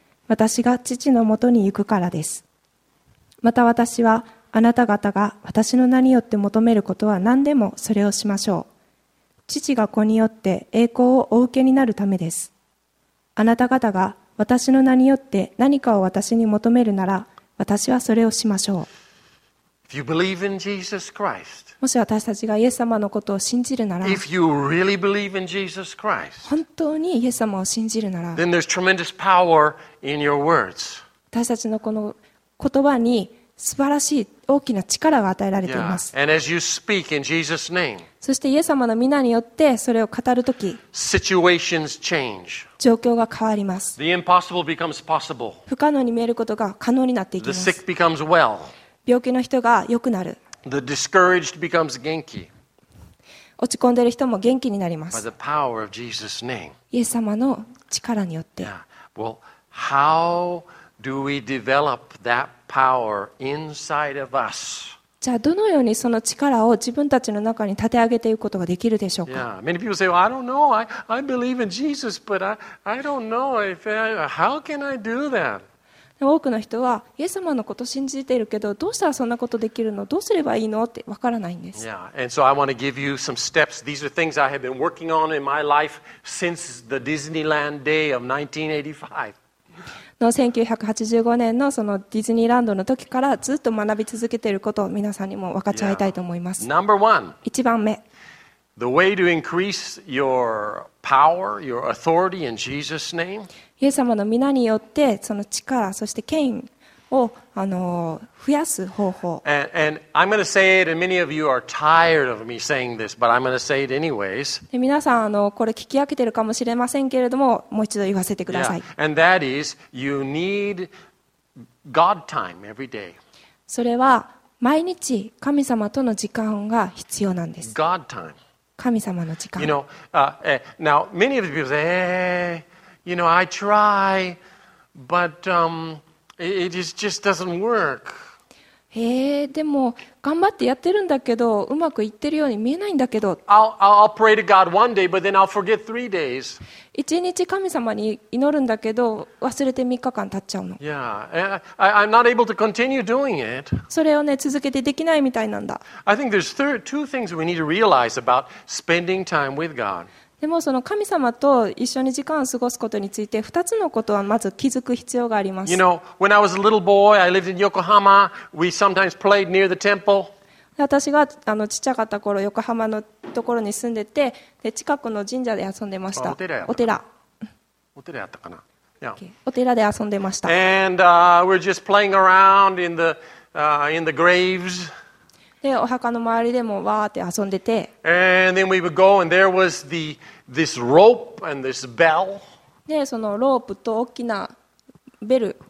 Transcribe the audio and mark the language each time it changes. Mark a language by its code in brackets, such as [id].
[ja] 私が父のもとに行くからです。また私はあなた方が私の名によって求めることは何でもそれをしましょう。父が子によって栄光をお受けになるためです。あなた方が私の名によって何かを私に求めるなら、私はそれをしましょう。 [en] If you believe in Jesus Christ, [ja] もし私たちがイエス様のことを信じるなら、 [en] If you really believe in Jesus Christ, [ja] 本当にイエス様を信じるなら、 [en] Then there's tremendous power in your words. [ja] 私たちのこの言葉に素晴らしい大きな力が与えられています。 [en] Yeah. And as you speak in Jesus' name, [ja] そしてイエス様の御名によってそれを語るとき、 [en] situations change. [ja] 状況が変わります。 [en] The impossible becomes possible. [ja] 不可能に見えることが可能になっていきます。 [en] The sick becomes well. [ja] 病気の人が良くなる。 [en] The discouraged becomes 元気。 [ja] 落ち込んでいる人も元気になります。 [en] By the power of Jesus' name. [ja] イエス様の力によって。 [en] Yeah. Well, how do we develop that power inside of us? [ja] じゃあどのようにその力を自分たちの中に立て上げていくことができるでしょうか。 [en] Yeah, many people say, well, I don't know. I believe in Jesus, but I don't know if how can I do that? [ja] 多くの人はイエス様のことを信じているけど、どうしたらそんなことできるの？どうすればいいの？ってわからないんです。 [en] Yeah, and so I want to give you some steps. These are things I have been working on in my life since the Disneyland day of 1985. [ja] の1985年のそのディズニーランドの時からずっと学び続けていることを皆さんにも分かち合いたいと思います。 [en] Yeah. Number one. [ja] 一番目。 [en] The way to increase your power, your authority in Jesus' name. [ja] イエス様の御名によってその力、そして権威を増やす方法。 [en] And I'm going to say it, and many of you are tired of me saying this, but I'm going to say it anyways. [ja] 皆さんこれ聞き飽きてるかもしれませんけれども、もう一度言わせてください。 [en] Yeah. And that is, you need God time every day. [ja] それは毎日神様との時間が必要なんです。 [en] God time. [ja] 神様の時間。 [en] You know, now many of the people say, hey, you know, I try, but It just doesn't work. [ja] でも頑張ってやってるんだけど、うまくいってるように見えないんだけど。 [en] I'll pray to God one day, but then I'll forget three days. [ja] 一日神様に祈るんだけど、忘れて3日間経っちゃうの。 [en] Yeah, I'm not able to continue doing it. [ja] それをね、続けてできないみたいなんだ。 [en] I think there's two things we need to realize about spending time with God. [ja] でもその神様と一緒に時間を過ごすことについて2つのことはまず気づく必要があります。 [en] You know, when I was a little boy, I lived in Yokohama. We sometimes played near the temple. [ja] 私がちっちゃかった頃、横浜のところに住んでて、で近くの神社で遊んでました。お寺やったかな。お寺で遊んでました。 [en] And, we're just playing around in the, in the graves. [ja] で、お墓の周りでもわーって遊んでて。 [en] And then we would go and there was the, this rope and this bell. [ja] で、そのロープと大きなベル、